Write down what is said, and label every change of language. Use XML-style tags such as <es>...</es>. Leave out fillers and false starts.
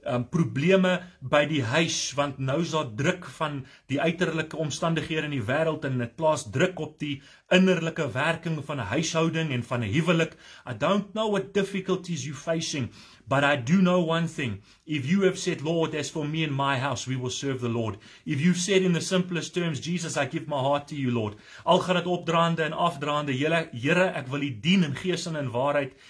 <af>Probleme by die huis, want nou is daar druk van die uiterlike omstandighede in die wêreld en dit plaas druk op die innerlike werking van 'n huishouding en van 'n huwelik.</af> <en>I don't know what difficulties you're facing, but I do know one thing. If you have said, Lord, as for me and my house, we will serve the Lord. If you've said in the simplest terms, Jesus, I give my heart to you, Lord.</en> <af>Al gaan dit opdraande en afdraande, Here, ek wil U dien in gees en in waarheid.</af>